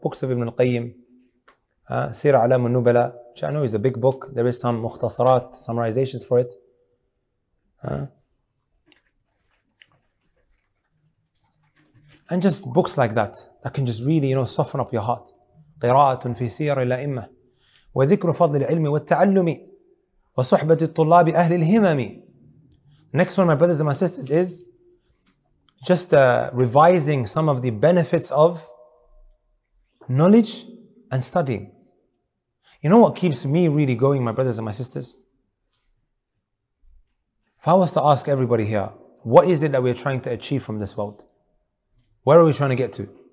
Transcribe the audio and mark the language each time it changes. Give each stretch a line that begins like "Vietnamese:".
English: Books of Ibn al-Qayyim, Sira Alam al-Nubala, which I know is a big book. There is some mukhtasarat, summarizations for it. And just books like that, that can just really, you know, soften up your heart.
Arabic: قِرَاءَةٌ فِي سِيَرِ الْأِمَّةِ وذكر فضل العلم والتعلم وصحبة الطلاب أهل الهمم.
English: Next one, my brothers and my sisters, is just revising some of the benefits of knowledge and studying. You know what keeps me really going, my brothers and my sisters? If I was to ask everybody here, what is it that we're trying to achieve from this world? Where are we trying to get to?